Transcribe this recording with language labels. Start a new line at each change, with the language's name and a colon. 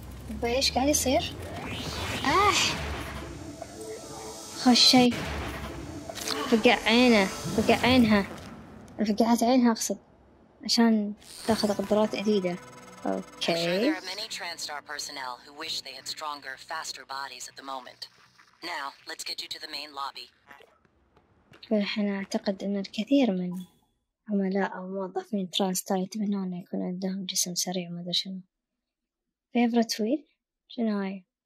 Arabic: بايش قاعد يصير؟ خشي فقعت عينها اقصد عشان تاخذ قدرات جديده. اوكي
English: there are many Transtar personnel who wish they had stronger faster bodies at the moment. Now let's get you to the main lobby.
Arabic: الحين اعتقد ان الكثير من عملاء او موظفين Transtar يتمنون يكون عندهم جسم سريع. ما ادري شنو فيفرت ويل شنو هاي.